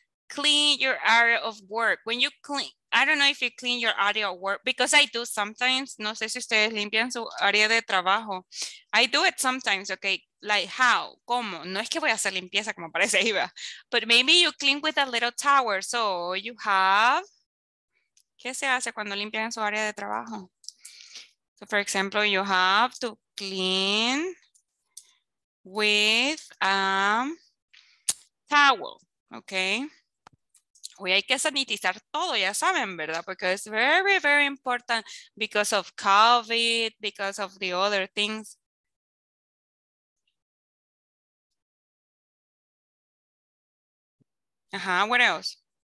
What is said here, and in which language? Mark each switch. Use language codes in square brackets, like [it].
[en] Clean your area of work. When you clean, I don't know if you clean your area of work, because I do sometimes. [es] No sé si ustedes limpian su área de trabajo. [en] I do it sometimes, okay? Like how? [es] ¿Cómo? No es que voy a hacer limpieza como parece, Iba. [en] But maybe you clean with a little towel. So you have, [es] ¿qué se hace cuando limpian su área de trabajo? [en] So for example, you have to clean with a towel, okay? [es] Hoy hay que sanitizar todo, ya saben, ¿verdad? Porque [en] it's very, very important because of COVID, because of the other things. Ajá, what else?